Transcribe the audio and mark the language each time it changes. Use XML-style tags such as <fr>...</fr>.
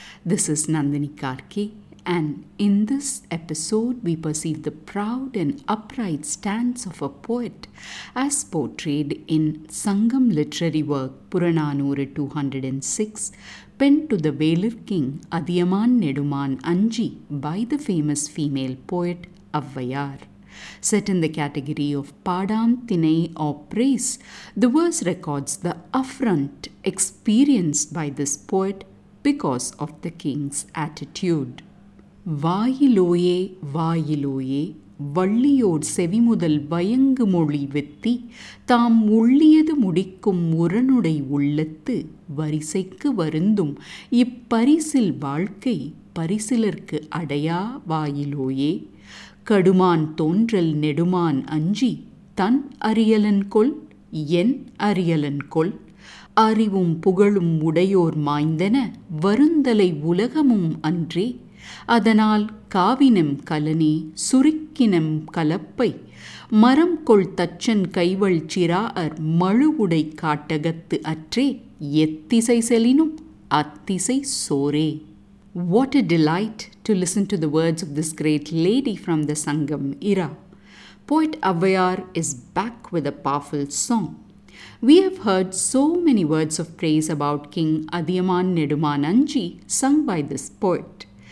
<en>This is Nandini Karki, and in this episode we perceive the proud and upright stance of a poet as portrayed in Sangam literary work Puranaanooru 206, penned to the Velir king Athiyamaan Nedumaan Anji by the famous female poet Avvaiyaar. Set in the category of Paadaan Thinai or praise, the verse records the affront experienced by this poet because of the king's attitude.</en> <ta>Vayiloye, vayiloye, valliyod sevimudal vayangu moli vitti, tam ulliyadu mudikkum uranudai ullattu, varisaikku varundum, ipparisil valkai, parisilarku adaya vayiloye, கடுமான் தோன்றல் நெடுமான் அஞ்சி தன் அரியலன் கொள் என் அரியலன் கொள் அறிவும் புகழும் உடையோர் மாய்ந்தன வருந்தலை உலகமும் அன்றே அதனால் காவினம் கலனே சுருக்கினம் கலப்பை மரம் கொள் தச்சன் கைவள் சிறார் மழுவுடை காட்டகத்து அற்றே எத்திசை செலினும் அத்திசை சோரே.</ta> <en>What a delight to listen to the words of this great lady from the Sangam era. Poet Avvaiyaar is back with a powerful song. We have heard so many words of praise about King Athiyamaan Nedumaan Anji sung by this poet.</en>